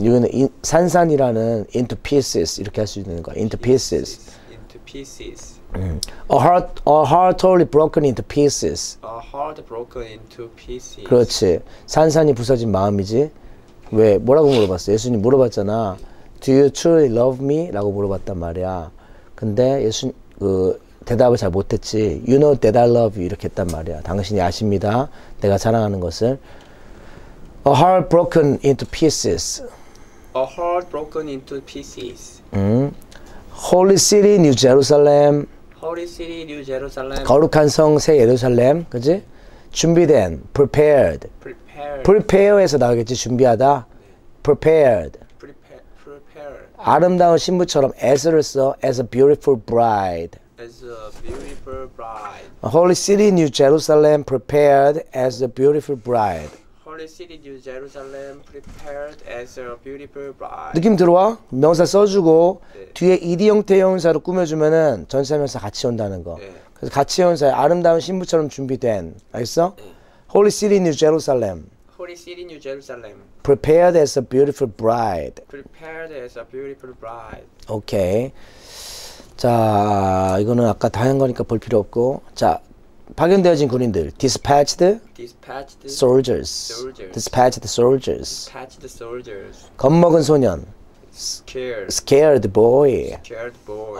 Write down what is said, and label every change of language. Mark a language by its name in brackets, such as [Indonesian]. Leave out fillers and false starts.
[Korean] 이거는 산산이라는 [English] into pieces [Korean] 이렇게 할수 있는 거야. [English] into pieces. Pieces into pieces. A heart totally broken into pieces. A heart broken into pieces. [Korean] 그렇지. 산산이 부서진 마음이지. 왜 뭐라고 물어봤어? 예수님 물어봤잖아. [English] Do you truly love me? [Korean] 라고 물어봤단 말이야. 근데 예수 그 대답을 잘 못했지. [English] You know that I love you. [Korean] 이렇게 했단 말이야. 당신이 아십니다. 내가 사랑하는 것을. [English] A heart broken into pieces. A heart broken into pieces. Holy city, New Jerusalem. Holy city, New Jerusalem. [Korean] 거룩한 성, 새 예루살렘. 그지? 준비된, [English] prepared. Prepared. [Korean] prepare에서 나오겠지, 준비하다. [English] prepared. Prepare. [Korean] 아름다운 신부처럼 [English] as를 써, as a beautiful bride. As a beautiful bride. Holy city, New Jerusalem, prepared as a beautiful bride. Holy City, New Jerusalem, prepared as a beautiful bride. [Korean] 느낌 들어와? 명사 써주고, 뒤에 ED 형태 형사로 꾸며주면은 전체명사 같이 온다는 거. 그래서 같이 형사에 아름다운 신부처럼 준비된. 알겠어? [English] Holy City, New Jerusalem. Holy City, New Jerusalem, Prepared as a beautiful bride. prepared as a beautiful bride. [Korean] 오케이. 자, 이거는 아까 다한 거니까 볼 필요 없고. 자, 파견되어진 군인들. [English] Dispatched Dispatched soldiers. soldiers. Dispatched soldiers. Dispatched soldiers. [Korean] 겁먹은 소년. [English] Scared. Scared boy. Scared boy.